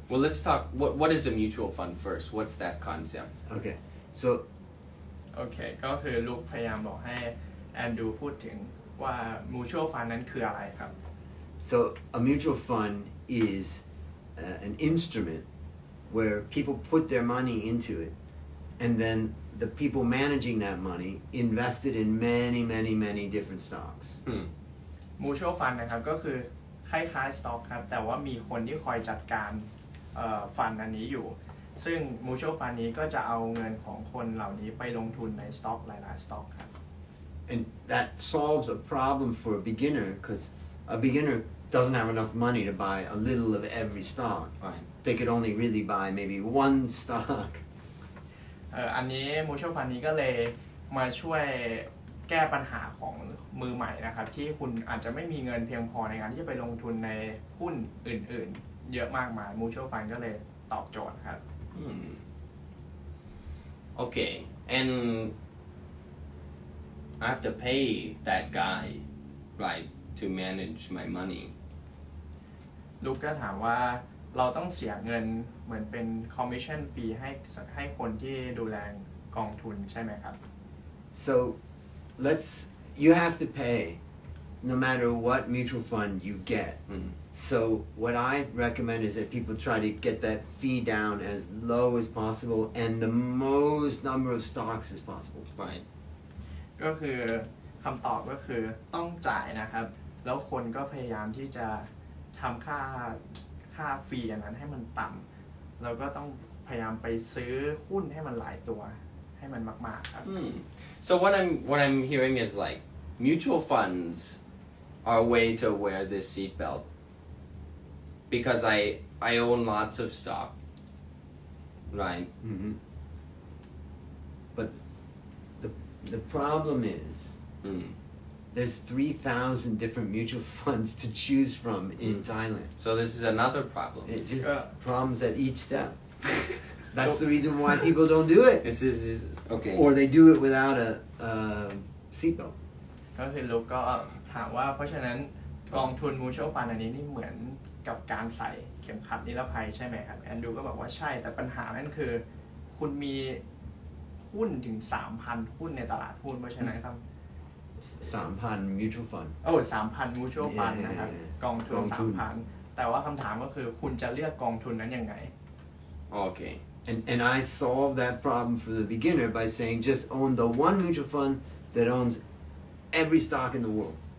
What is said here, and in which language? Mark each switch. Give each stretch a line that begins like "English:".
English: Well let's talk what is a mutual fund first what's that concept Okay so
Thai: okay ก็คือลูกพยายามบอกให้แอนดูพูดถึงว่า mutual fund นั้นคืออะไรครับ
English: So a mutual fund is an instrument where people put their money into it and then the people managing that money invested in many many many different stocks
Thai: mutual fund นะครับก็คือคล้ายๆ stock ครับแต่ว่ามีคนที่คอยจัดการfund อันนี้อยู่ซึ่ง mutual fund นี้ก็จะเอาเงินของคนเหล่านี้ไปลงทุนใน stock หลายๆ stock ครับ
English: and that solves a problem for a beginner because a beginner doesn't have enough money to buy a little of every stock fine They could only really buy maybe one stock.
Thai: อันนี้ mutual fund นี้ก็เลยมาช่วยแก้ปัญหาของมือใหม่นะครับที่คุณอาจจะไม่มีเงินเพียงพอในการที่จะไปลงทุนในหุ้นอื่นๆเยอะมากมาย mutual fund ก็เลยตอบโจทย์ครับ
English: Okay, and I have to pay that guy, right, to manage my money.
Thai: ลูกก็ถามว่าเราต้องเสียเงินเหมือนเป็น commission fee ให้คนที่ดูแลกองทุนใช่ไหมครับ
English: So let's you have to pay no matter what mutual fund you get So what I recommend is that people try to get that fee down as low as possible and the most number of stocks as possible Fine
Thai: ก็คือคำตอบก็คือต้องจ่ายนะครับแล้วคนก็พยายามที่จะทำค่าฟรีอันนั้นให้มันต่ำเราก็ต้องพยายามไปซื้อหุ้นให้มันหลายตัวให้มันมากๆครับ
English: So what I'm hearing is like mutual funds are a way to wear this seat belt because I own lots of stock right But the problem is There's 3,000 different mutual funds to choose from in Thailand. So this is another problem. It's just problems at each step. That's the reason why people don't do it. This is okay. Or they do it without a seatbelt.
Thai: ก็คือลูกก็ถามว่าเพราะฉะนั้นกองทุน mutual fund อันนี้นี่เหมือนกับการใส่เข็มขัดนิรภัยใช่ไหมครับแอนดูก็บอกว่าใช่แต่ปัญหานั้นคือคุณมีหุ้นถึง 3,000 หุ้นในตลาดหุ้นเพราะฉะนั้นครับ
English: 3,000 mutual fund
Thai: โอ้ 3,000 mutual fund นะครับกองทุน 3,000 แต่ว่าคำถามก็คือคุณจะเลือกกองทุนนั้นยังไง โอเค
English: and I solve that problem for the beginner by saying just own the one mutual fund that owns every stock in the world